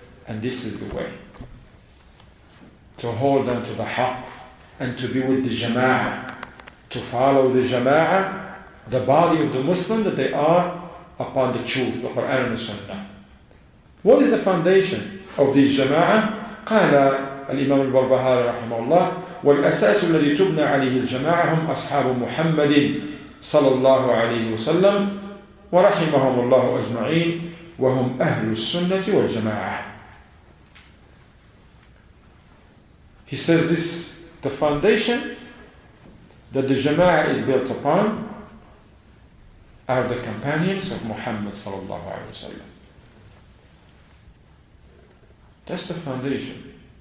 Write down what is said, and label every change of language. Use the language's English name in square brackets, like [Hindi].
[English] And this is the way. To hold on to the haqq. And to be with the jama'ah. To follow the jama'ah. The body of the Muslim that they are upon the truth. The Quran and the Sunnah. What is the foundation of this jama'ah? [Arabic] Qala الإمام البربهاري رحمه الله والأساس الذي تبنى عليه الجماعة هم أصحاب محمد صلى الله عليه وسلم ورحمهم الله أجمعين وهم أهل السنة والجماعة. [English] He says this, the foundation that the jama'ah is built upon are the companions of Muhammad [Arabic] صلى الله عليه وسلم. [English] That's the foundation.